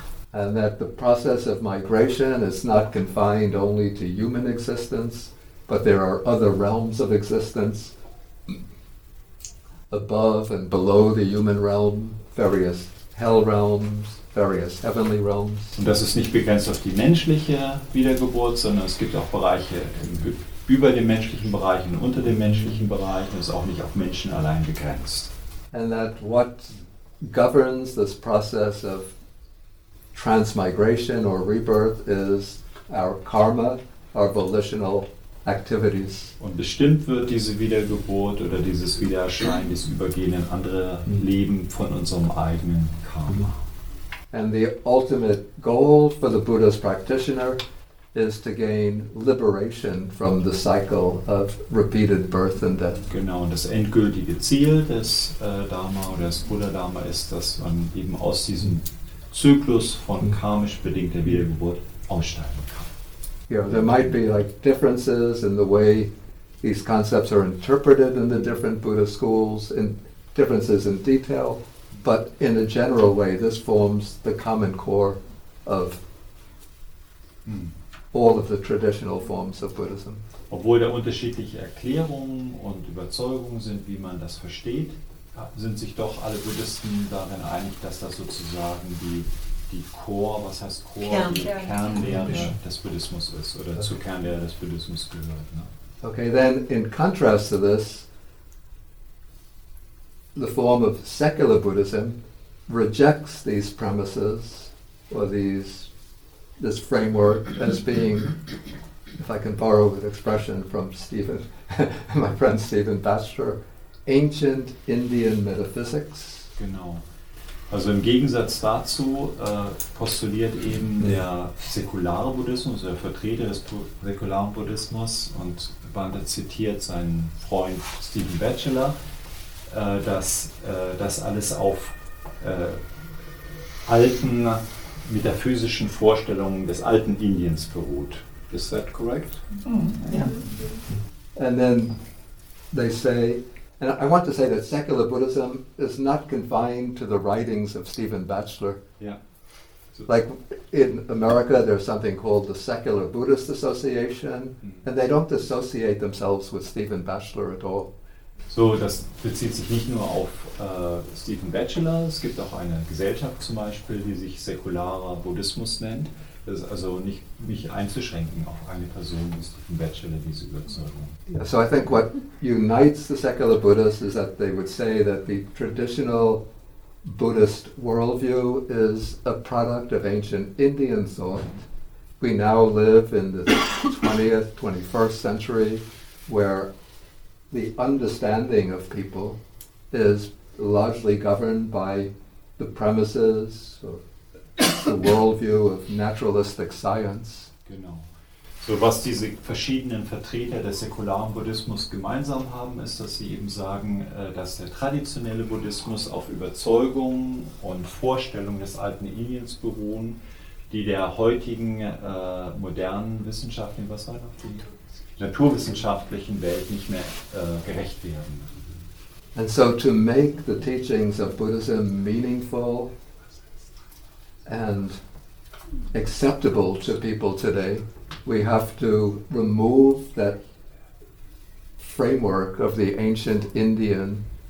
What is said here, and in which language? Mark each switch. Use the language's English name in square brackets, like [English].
[English] And that the process of migration is not confined only to human existence, but there are other realms of existence above and below the human realm, various hell realms, various heavenly realms. [German] Und das ist nicht begrenzt auf die menschliche Wiedergeburt, sondern es gibt auch Bereiche über den menschlichen Bereich und unter dem menschlichen Bereich, und ist auch nicht auf Menschen allein begrenzt. [English] And that what governs this process of transmigration or rebirth is our karma, our volitional activities. [German] Und bestimmt wird diese Wiedergeburt oder dieses Wiedererscheinen, dieses Übergehen in andere Leben von unserem eigenen Karma. [English] And the ultimate goal for the Buddha's practitioner is to gain liberation from the cycle of repeated birth and death. [German] Genau, und das endgültige Ziel des Dharma oder des Buddha-Dharma ist, dass man eben aus diesem Zyklus von karmisch bedingter Wiedergeburt aussteigen kann. [English] Yeah, there might be like differences in the way these concepts are interpreted in the different Buddha schools, and differences in detail, but in a general way, this forms the common core of all of the traditional forms of Buddhism. [German] Obwohl da unterschiedliche Erklärungen und Überzeugungen sind, wie man das versteht, sind sich doch alle Buddhisten darin einig, dass das sozusagen die Core, was heißt Core? Kern. Die Kernlehre des Buddhismus ist oder zur Kernlehre des Buddhismus gehört. Ne? [English] Okay, then in contrast to this, the form of secular Buddhism rejects these premises or this framework as being, if I can borrow an expression from Stephen, my friend Stephen Batchelor, ancient Indian metaphysics. [German] Genau. Also im Gegensatz dazu postuliert eben der säkulare Buddhismus, der Vertreter des säkularen Buddhismus, und Banda zitiert seinen Freund Stephen Batchelor, dass das alles auf alten metaphysischen Vorstellungen des alten Indiens beruht. [English] Is that correct? Yeah. And then they say, and I want to say that secular Buddhism is not confined to the writings of Stephen Batchelor. Yeah. So like in America, there's something called the Secular Buddhist Association, and they don't associate themselves with Stephen Batchelor at all. [German] So, das bezieht sich nicht nur auf Stephen Batchelor, es gibt auch eine Gesellschaft zum Beispiel, die sich säkularer Buddhismus nennt. Das ist also nicht einzuschränken auf eine Person, wie Stephen Batchelor, diese Überzeugung. [English] So I think what unites the secular Buddhists is that they would say that the traditional Buddhist worldview is a product of ancient Indian thought. We now live in the 20th, 21st century, where the understanding of people is largely governed by the premises or the worldview of naturalistic science. [German] Genau. So was diese verschiedenen Vertreter des säkularen Buddhismus gemeinsam haben, ist, dass sie eben sagen, dass der traditionelle Buddhismus auf Überzeugungen und Vorstellungen des alten Indiens beruhen, die der heutigen modernen Wissenschaft, was war noch die? Naturwissenschaftlichen Welt nicht mehr gerecht werden. [English] And so to make the teachings of Buddhism meaningful and acceptable to people today, we have to remove that framework of the ancient Indian